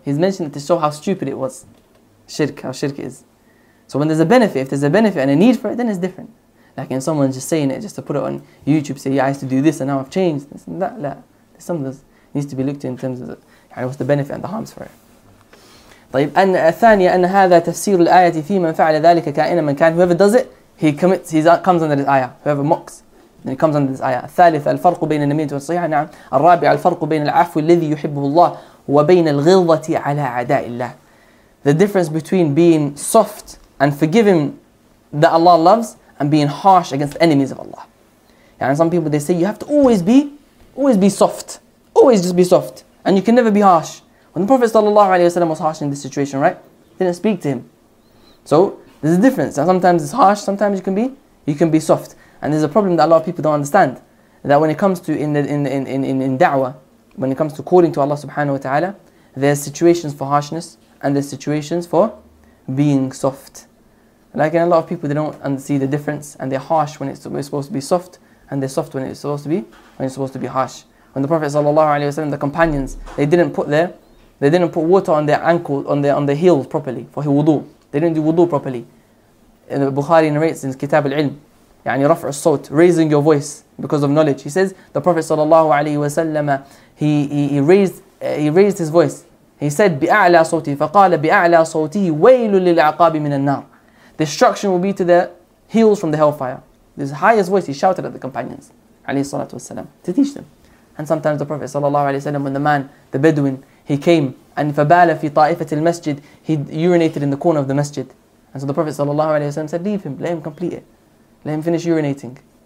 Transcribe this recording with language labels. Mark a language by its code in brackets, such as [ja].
[en] He's mentioning it to show how stupid it was, shirk, how shirk is. So when there's a benefit, if there's a benefit and a need for it, then it's different. Like in someone just saying it, just to put it on YouTube, say, yeah, I used to do this and now I've changed, this and that, like, some of this needs to be looked in terms of what's the benefit and the harms for it. [ar] طيب, [en] and [ar] الثانية أن هذا تفسير الآية في من فعل ذلك كائنا من كان. [en] Whoever does it, he commits, he comes under this ayah. Whoever mocks, then he comes under this ayah. [ar] الثالثة الفرق بين النمية والصيحة. نعم. الرابعة الفرق بين العفو الذي يحبه الله وبين الغلظة على أعداء الله. [en] The difference between being soft and forgiving that Allah loves and being harsh against the enemies of Allah. Yeah, and some people they say you have to always be soft. Always just be soft. And you can never be harsh. When the Prophet ﷺ was harsh in this situation, right? He didn't speak to him. So there's a difference. Sometimes it's harsh, sometimes you can be soft. And there's a problem that a lot of people don't understand. That when it comes to in da'wah, when it comes to calling to Allah subhanahu wa ta'ala, there's situations for harshness and there's situations for being soft. Like in a lot of people, they don't see the difference, and they're harsh when it's supposed to be soft, and they're soft when it's supposed to be harsh. When the Prophet sallallahu alaihi wasallam, the companions, they didn't put water on their ankle, on their heels properly for his wudu. They didn't do wudu properly. And Bukhari narrates in Kitab al-Ilm, [ar] يعني رفع الصوت, [en] raising your voice because of knowledge. He says the Prophet sallallahu alaihi wasallam, he raised his voice. He said [ar] بأعلى صوتي فقال بأعلى صوتي ويل للعقاب من النار. [en] Destruction will be to the heels from the hellfire. His highest voice, he shouted at the companions, alayhi salatu wasalam, to teach them. And sometimes the Prophet sallallahu alayhi wasalam, when the man, the Bedouin, he came and fabala fi ta'ifat al-masjid, he urinated in the corner of the masjid. And so the Prophet sallallahu alayhi wasalam said, leave him, let him complete it. Let him finish urinating.